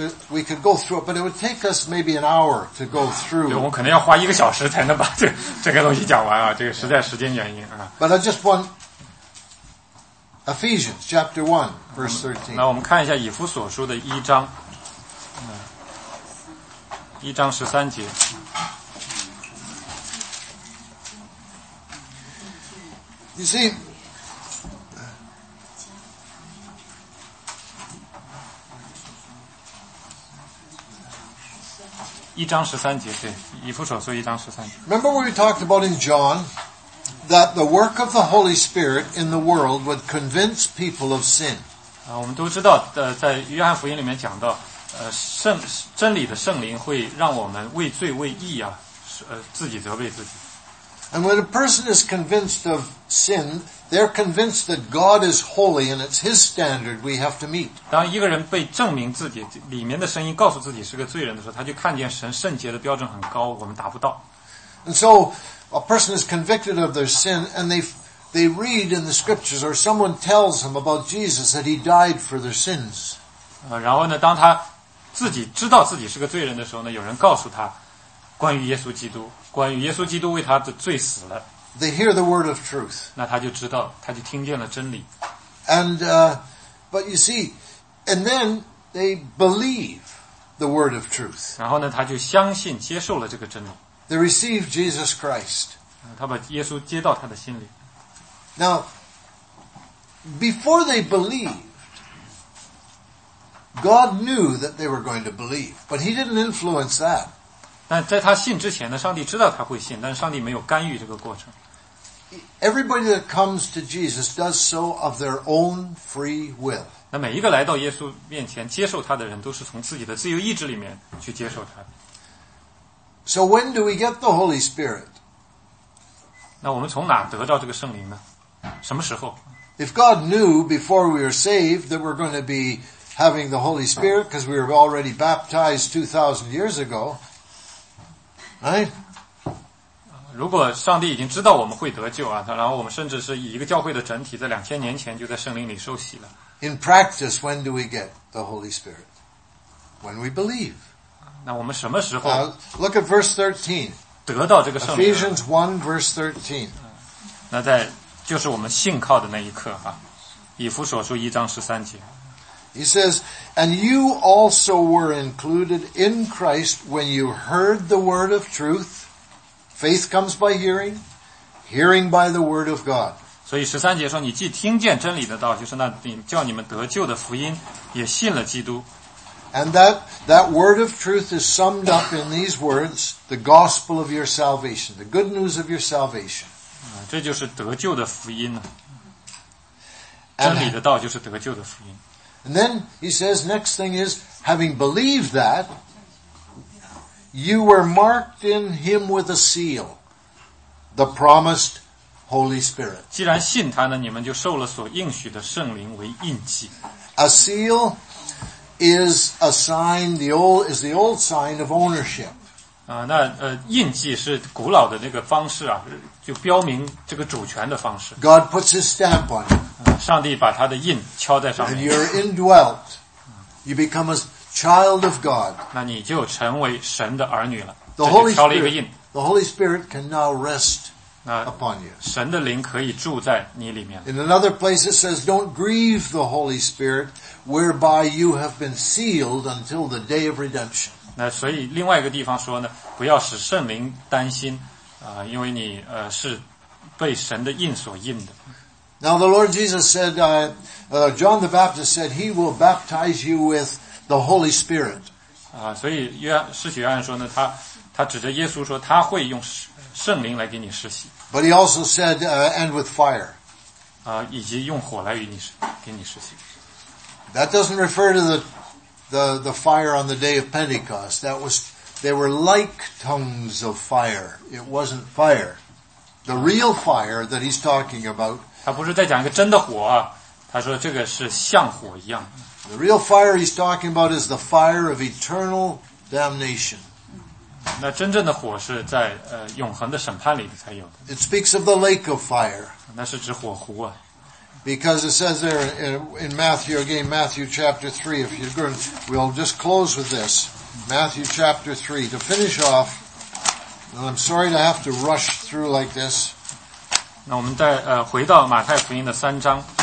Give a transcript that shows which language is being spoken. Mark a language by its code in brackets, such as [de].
[en] We could go through it, but it would take us maybe an hour to go through. [zh] 对，我可能要花一个小时才能把这个东西讲完啊。这个实在时间原因啊。 [en] But I just want Ephesians chapter 1, verse 13. [zh] 那我们看一下以弗所书的一章，一章十三节。 [en] You see. [zh] 一章十三节，对，以弗所书一章十三节。 [en] Remember when we talked about in John that the work of the Holy Spirit in the world would convince people of sin？ [zh] 啊，我们都知道，在约翰福音里面讲到，真理的圣灵会让我们为罪为义啊，自己责备自己。 [en] And when a person is convinced of sin, they're convinced that God is holy and it's His standard we have to meet. [zh] 当一个人被证明自己里面的声音告诉自己是个罪人的时候，他就看见神圣洁的标准很高，我们达不到。 [en] And so, a person is convicted of their sin and they read in the scriptures or someone tells them about Jesus that He died for their sins. [zh] 然后呢，当他自己知道自己是个罪人的时候呢，有人告诉他关于耶稣基督。关于耶稣基督为他的罪死了。 [en] They hear the word of truth. [zh] 那他就知道，他就听见了真理。 [en] And, but you see, and then they believe the word of truth. [zh] 然后呢，他就相信，接受了这个真理。 [en] They receive Jesus Christ. [zh] 他把耶稣接到他的心里。 [en] Now, before they believed, God knew that they were going to believe, but He didn't influence that. [zh] 但在他信之前呢，上帝知道他会信，但是上帝没有干预这个过程。 [en] Everybody that comes to Jesus does so of their own free will. [zh] 那每一个来到耶稣面前接受他的人，都是从自己的自由意志里面去接受他的。 [en] So when do we get the Holy Spirit? [zh] 那我们从哪得到这个圣灵呢？什么时候 [en] ？If God knew before we were saved that we're going to be having the Holy Spirit because we were already baptized 2,000 years ago. [zh] 如果上帝已经知道我们会得救啊，然后我们甚至是以一个教会的整体，在两千年前就在圣灵里受洗了。 [en] In practice, when do we get the Holy Spirit? When we believe. [zh] 那我们什么时候？ [en] Look at verse 13. [zh] 得到这个圣灵。 [en] Ephesians 1 verse 13. [zh] 那在就是我们信靠的那一刻啊，以弗所书一章十三节。 [en] He says, and you also were included in Christ when you heard the word of truth. Faith comes by hearing, hearing by the word of God. [zh] 所以十三节说，你既听见真理的道，就是那叫你们得救的福音，也信了基督。 [en] And that word of truth is summed up in these words, the gospel of your salvation, the good news of your salvation. [zh] 这就是得救的福音呢。真理的道就是得救的福音。 [en] And then he says, next thing is, having believed that, you were marked in him with a seal, the promised Holy Spirit. [zh] 既然信他呢，你们就受了所应许的圣灵为印记。 [en] A seal is a sign, the old sign of ownership. [zh] 印记是古老的那个方式啊，就标明这个主权的方式。 [en] God puts his stamp on it. [zh] 上帝把他的印敲在上面。 [en] And you're indwelt, you become a child of God. [zh] 那你就成为神的儿女了。 [en] The Holy [zh] 敲了一个印。 [en] The Holy Spirit can now rest upon you. [zh] 神的灵可以住在你里面。 [en] In another place it says, "Don't grieve the Holy Spirit, whereby you have been sealed until the day of redemption." [zh] 那所以另外一个地方说呢，不要使圣灵担心，因为你是被神的印所印的。 [en] Now the Lord Jesus said, John the Baptist said, he will baptize you with the Holy Spirit. [zh] 啊，所以约施洗约翰说呢，他指着耶稣说，他会用圣灵来给你施洗。 [en] But he also said, and with fire. [zh] 啊，以及用火来与你给你施洗。 [en] That doesn't refer to the fire on the day of Pentecost. That was, they were like tongues of fire. It wasn't fire. The real fire that he's talking about. [zh] 他不是在讲一个真的火啊，他说这个是像火一样。 [en] The real fire he's talking about is the fire of eternal damnation. [zh] 那真正的火是在永恒的审判里才有的。 [en] It speaks of the lake of fire. [zh] 那是指火湖啊。 [en] Because it says there in Matthew, again, Matthew chapter 3, if you're good, we'll just close with this. Matthew chapter 3, to finish off, and I'm sorry to have to rush through like this. [zh] 那我们再回到马太福音的三章。